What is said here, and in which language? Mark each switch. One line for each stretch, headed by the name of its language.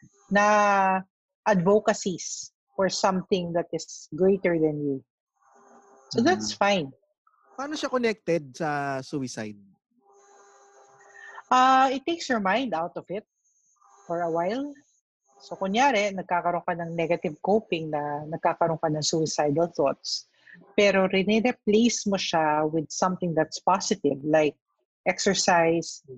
English: Na advocacies for something that is greater than you. So that's fine.
Filipino: Paano siya connected sa suicide?
English: It takes your mind out of it for a while.
Filipino: So kunyari, nagkakaroon ka ng negative coping na nagkakaroon ka ng suicidal thoughts. Pero rine-replace mo siya
English: with something that's positive like exercise.